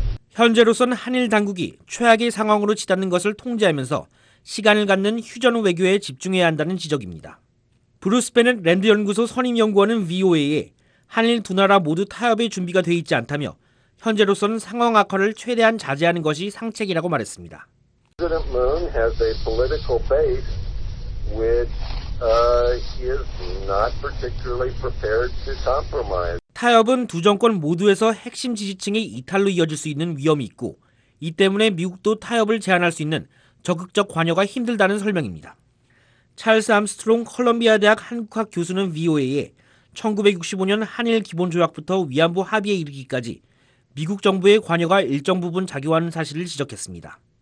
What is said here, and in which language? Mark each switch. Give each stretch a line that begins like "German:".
Korean: 현재로선 한일 당국이 최악의 상황으로 치닫는 것을 통제하면서 시간을 갖는 휴전 외교에 집중해야 한다는 지적입니다. 브루스 베넷 랜드연구소 선임연구원은 VOA에 한일 두 나라 모두 타협의 준비가 되어 있지 않다며 현재로선 상황 악화를 최대한 자제하는 것이 상책이라고 말했습니다.
English: President Moon has a political base which is not particularly prepared to compromise.
Korean: 타협은 두 정권 모두에서 핵심 지지층의 이탈로 이어질 수 있는 위험이 있고 이 때문에 미국도 타협을 제한할 수 있는 적극적 관여가 힘들다는 설명입니다. 찰스 암스트롱 컬럼비아 대학 한국학 교수는 VOA에 1965년 한일 기본조약부터 위안부 합의에 이르기까지 미국 정부의 관여가 일정 부분 작용하는 사실을 지적했습니다.